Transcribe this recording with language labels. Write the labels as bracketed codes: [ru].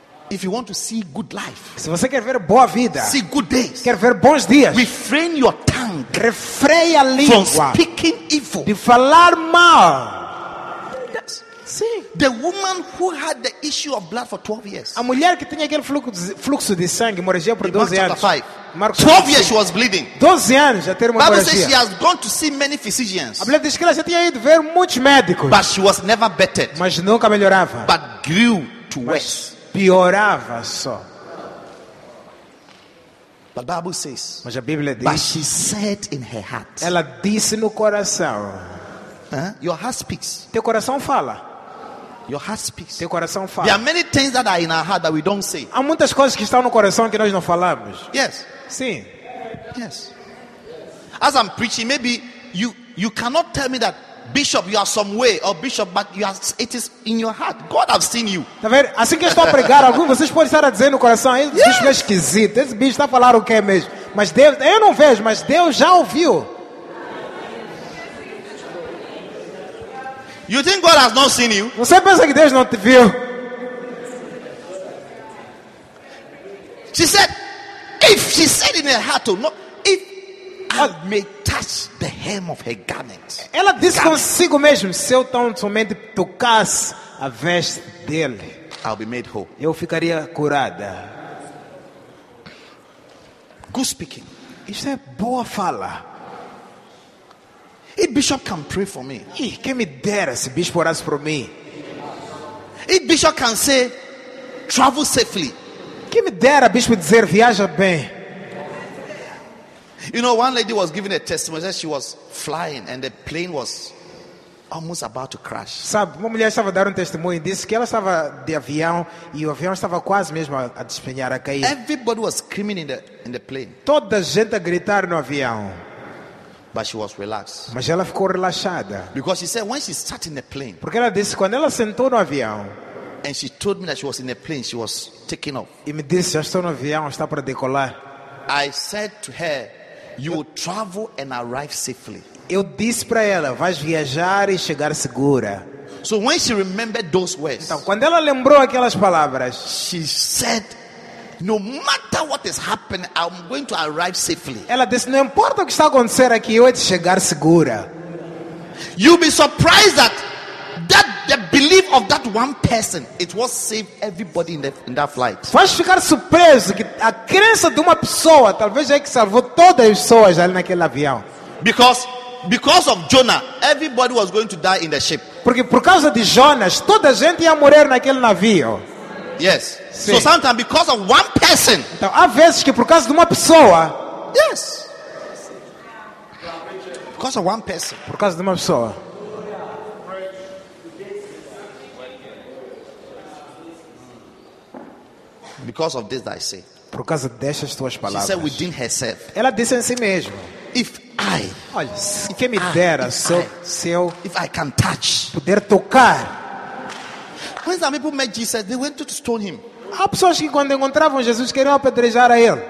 [en] If you want to see good life. [pt] Se você quer ver boa vida. [en] See good days. [pt] Quer ver bons dias. [en] Refrain your tongue. [pt] Refreia a língua. [en] From speaking evil. [pt] De falar mal. [en] Yes. See, the woman who had the issue of blood for 12 years. [pt] A mulher que tinha aquele fluxo de sangue, hemorragia por 12 anos. [en] Marcos 12 years she was bleeding. [pt] 12 anos já ter uma [en] hemorragia. Bible says she has gone to see many physicians. [pt] A mulher diz que ela já tinha ido ver muitos médicos. [en] But she was never better. [pt] Mas nunca melhorava. [en] But grew to worse. [pt] Piorava só. [en] But Bible says. [pt] Mas a Bíblia diz. [en] But she said in her heart. [pt] Ela disse no coração. [en] Your heart speaks. [pt] Teu coração fala. [en] Your heart speaks. [pt] Teu coração fala. [en] There are many things that are in our heart that we don't say. [pt] Há muitas coisas que estão no coração que nós não falamos. [en] Yes. [pt] Sim. [en] Yes. As I'm preaching, maybe you cannot tell me that Bishop, you are some way, or Bishop, but you are, it is in your heart. God has seen you. [pt] Tá vendo? Assim que eu estou a pregar, alguns vocês podem estar a dizer no coração, esse bicho é esquisito, esse bicho está a falar o que é mesmo. Mas Deus, eu não vejo, mas Deus já ouviu. [en] You think God has not seen you? [pt] Você pensa que Deus não te viu? [en] she said in her heart, oh, no, if I may touch the hem of her garment. [pt] Ela disse consigo mesmo, se eu tão somente tocasse a veste dele, [en] I'll be made whole. [pt] Eu ficaria curada. [en] Good speaking. [pt] Isso é boa fala. [en] If Bishop can pray for me, [pt] quem me dera se Bishop orasse por mim. [en] If Bishop can say, travel safely, [pt] quem me dera Bishop dizer viaja bem. [en] You know, one lady was giving a testimony that she was flying and the plane was almost about to crash. [pt] Sabe, uma mulher estava dando testemunho e disse que ela estava de avião e o avião estava quase mesmo a despenhar, a cair. [en] Everybody was screaming in the plane. [pt] Toda a gente a gritar no avião. [en] But she was relaxed. [pt] Mas ela ficou relaxada. [en] Because she said when she sat in the plane. [pt] Porque ela disse quando ela sentou no avião. [en] And she told me that she was in the plane, she was taking off. [pt] E me disse, já estou no avião, está para decolar. [en] I said to her, you will travel and arrive safely. [pt] Eu disse para ela, vais viajar e chegar segura. [en] So when she remembered those words, [pt] então, quando ela lembrou aquelas palavras, [en] she said, no matter what is happening, I'm going to arrive safely. [pt] Ela disse, não importa o que está acontecendo aqui, eu vou chegar segura. [en] You'll be surprised that the belief of that one person, it was save everybody in that flight. [pt] Vais ficar surpreso que a crença de uma pessoa talvez é que salvou todas as pessoas ali naquele avião. [en] Because of Jonah, everybody was going to die in the ship. [pt] Porque por causa de Jonas, toda a gente ia morrer naquele navio. [en] Yes. [pt] Sim. [en] So sometimes because of one person. [pt] Então, há vezes que por causa de uma pessoa. [en] Yes. Because of one person. [pt] Por causa de uma pessoa. [en] Because of this that I say. [pt] Por causa destas tuas palavras. [en] She said within herself. [pt] Ela disse em si mesma. [en] If I, [pt] olha, se quem me dera, se eu, [en] if I can touch, [pt] puder tocar. [en] When some people met Jesus, they went to stone him. [pt] Há pessoas que quando encontravam Jesus queriam apedrejar a ele.